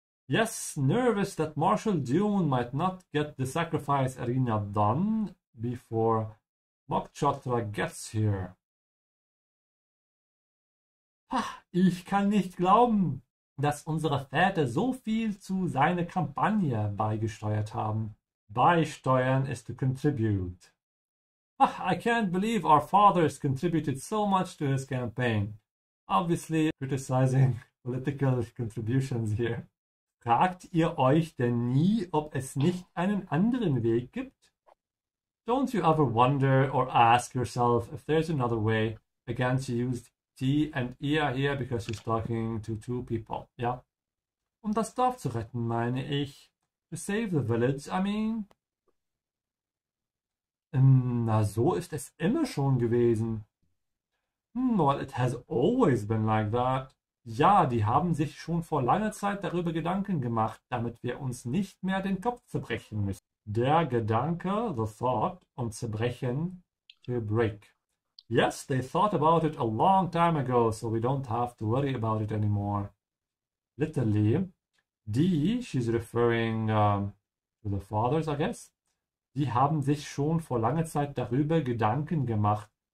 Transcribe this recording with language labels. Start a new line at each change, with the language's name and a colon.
English: Yes, nervous that Marshall Dune might not get the sacrifice arena done before Mok Chotra gets here.
German: Ha, ich kann nicht glauben, dass unsere Väter so viel zu seiner Kampagne beigesteuert haben.
English: Beisteuern ist to contribute. Ha, I can't believe our fathers contributed so much to his campaign. Obviously criticizing political contributions here.
German: Fragt ihr euch denn nie, ob es nicht einen anderen Weg gibt?
English: Don't you ever wonder or ask yourself if there's another way? Again, she used T and ear here because she's talking to two people.
German: Ja. Um das Dorf zu retten, meine ich.
English: To save the village, I mean.
German: Na, so ist es immer schon gewesen.
English: Well, it has always been like that.
German: Ja, die haben sich schon vor langer Zeit darüber Gedanken gemacht, damit wir uns nicht mehr den Kopf zerbrechen müssen.
English: Der Gedanke, the thought, um zerbrechen, to break. Yes, they thought about it a long time ago, so we don't have to worry about it anymore.
German: Literally, die,
English: she's referring to the fathers, I guess,
German: die haben sich schon vor langer Zeit darüber Gedanken gemacht.